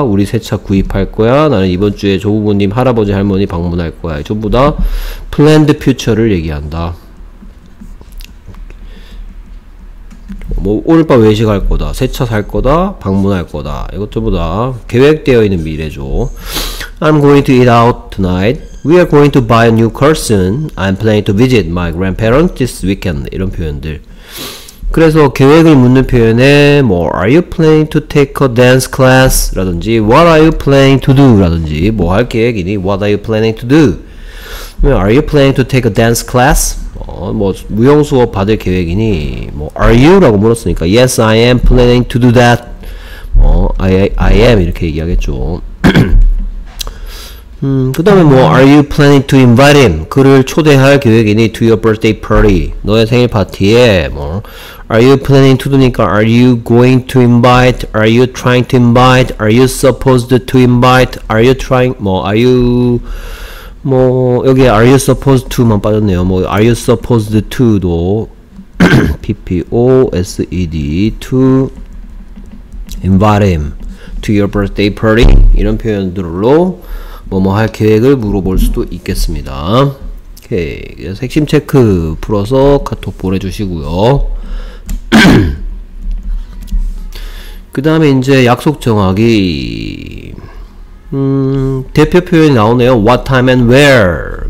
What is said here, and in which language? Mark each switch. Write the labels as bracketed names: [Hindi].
[Korean] 우리 새 차 구입할 거야. 나는 이번 주에 조부모님, 할아버지, 할머니 방문할 거야. 전부 다 [English] planned future [Korean] 를 얘기한다. 뭐 오늘 밤 외식할 거다. 새 차 살 거다. 방문할 거다. 이것 전부 다 계획되어 있는 미래죠. [English] I'm going to eat out tonight. We are going to buy a new car soon. I'm planning to visit my grandparents this weekend. [Korean] 이런 표현들. 그래서 계획을 묻는 표현에 뭐 [English] Are you planning to take a dance class? 라든지 What are you planning to do? 라든지 [Korean] 뭐 할 계획이니? [English] What are you planning to do? Are you planning to take a dance class? [Korean] 뭐 무용 수업 받을 계획이니? [English] 뭐 Are you? [Korean] 라고 물었으니까 [English] Yes, I am planning to do that. [Korean] 뭐 [English] I am [Korean] 이렇게 얘기하겠죠. [English] 그 다음에 뭐 Are you planning to invite him? [Korean] 그를 초대할 계획이니 [English] To your birthday party [Korean] 너의 생일 파티에 [English] 뭐 Are you planning to do니까 Are you going to invite? Are you trying to invite? Are you supposed to invite? Are you trying? 뭐 Are you 뭐 여기 Are you supposed to만 [Korean] 빠졌네요. [English] 뭐 Are you supposed to도 PPOSED to invite him to your birthday party [Korean] 이런 표현들로 뭐뭐 할 계획을 물어볼 수도 있겠습니다. 오케이. 그래서 핵심 체크 풀어서 카톡 보내주시고요. 그 다음에 이제 약속 정하기. 대표 표현이 나오네요. [English] What time and where?